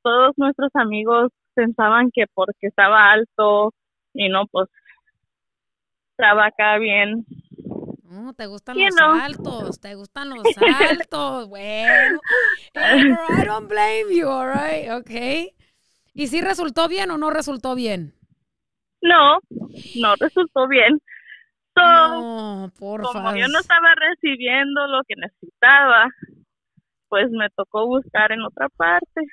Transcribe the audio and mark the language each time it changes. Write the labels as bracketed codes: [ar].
[es] Todos nuestros amigos pensaban que porque estaba alto, y no, pues, estaba acá bien. Te gustan altos, te gustan los altos, bueno. [en] Hey, girl, I don't blame you, all right, okay. [es] ¿Y si resultó bien o no resultó bien? No resultó bien. So, no, porfa. Como yo no estaba recibiendo lo que necesitaba, pues me tocó buscar en otra parte.